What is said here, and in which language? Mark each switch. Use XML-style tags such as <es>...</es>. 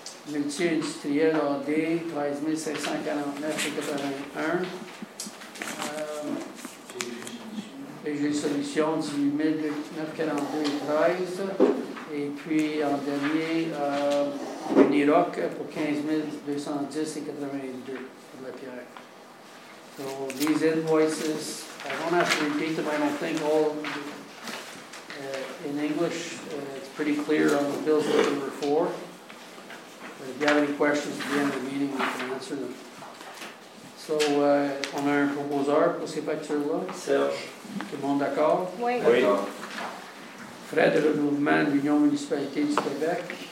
<fr>Multi-industriel AD, 13,549,81 $. Et j'ai une solution, 18,942,13 $. Et puis en dernier, Niroc pour 15,210,82 $ pour la pierre.</fr> <en>So these invoices, I don't have to repeat them, I don't think all in English, it's pretty clear on the bills that we were for. If you have any questions at the end of the meeting, we can answer them.</en> <fr>So, on a un proposeur pour ces factures-là? Serge. Tout le monde d'accord? Oui. Oui. Frais de renouvellement de l'Union municipalité du Québec.</fr>